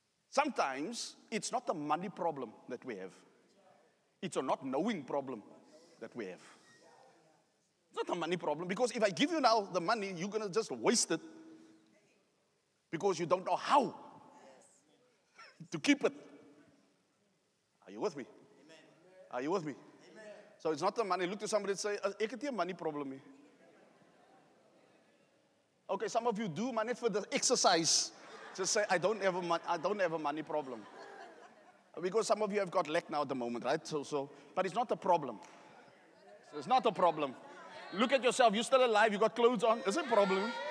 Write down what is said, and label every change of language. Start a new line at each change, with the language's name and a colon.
English: Sometimes it's not the money problem that we have. It's a not knowing problem that we have. It's not a money problem, because if I give you now the money, you're going to just waste it because you don't know how to keep it. Are you with me? Amen. Are you with me? Amen. So it's not the money. Look to somebody and say,
Afrikaans: ek het nie 'n money problem nie.
English: Okay, some of you do money for the exercise. Just say, I don't have a money problem. Because some of you have got lack now at the moment, right? So, but it's not a problem. It's not a problem. Look at yourself. You're still alive. You got clothes on. It's a problem.